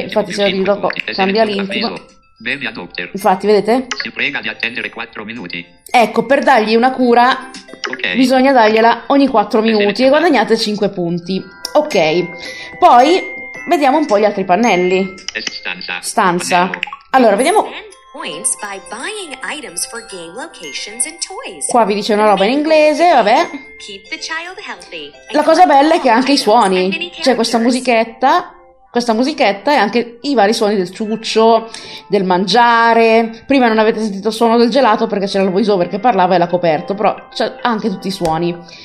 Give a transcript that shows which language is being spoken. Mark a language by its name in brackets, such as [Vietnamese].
[Italian] Infatti, se lo dico, cambia l'intimo. Infatti, vedete? Si prega di attendere 4 minuti. Ecco, per dargli una cura, okay, bisogna dargliela ogni 4 minuti e guadagnate 5 punti. Ok, poi vediamo un po' gli altri pannelli. Stanza. Stanza. Pannello. Allora, vediamo. [English] Points by buying items for game locations and toys. [Italian] Qua vi dice una roba in inglese, vabbè. [English] Keep the child healthy. [Italian] La cosa bella è che anche i suoni, c'è questa musichetta e anche i vari suoni del ciuccio, del mangiare. Prima non avete sentito il suono del gelato perché c'era il voiceover che parlava e l'ha coperto, però c'è anche tutti i suoni.